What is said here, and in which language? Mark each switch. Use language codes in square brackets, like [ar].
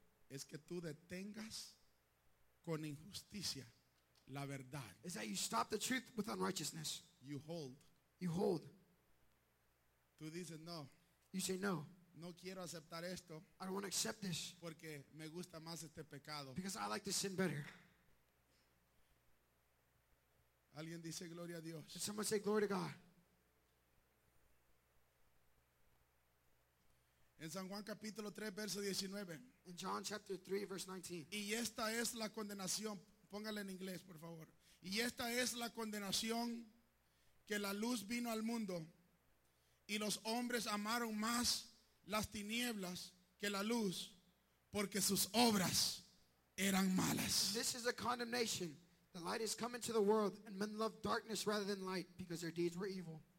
[es] Es que tú detengas con injusticia la verdad. [en] Is that you stop the truth with unrighteousness. You hold. You hold. [es] Tú dices no. [en] You say no. [es] No quiero aceptar esto. [en] I don't want to accept this. [es] Porque me gusta más este pecado. [en] Because I like this sin better. [es] Alguien dice gloria a Dios. [en] Did someone say glory to God? [es] En San Juan capítulo 3 verso 19. [en] In John chapter 3 verse 19. [es] Y esta es la condenación, póngale en inglés, por favor. Y esta es la condenación que la luz vino al mundo y los hombres amaron más las tinieblas que la luz porque sus obras eran malas. [en] And this is a condemnation. The light has come into the world and men loved darkness rather than light because their deeds were evil.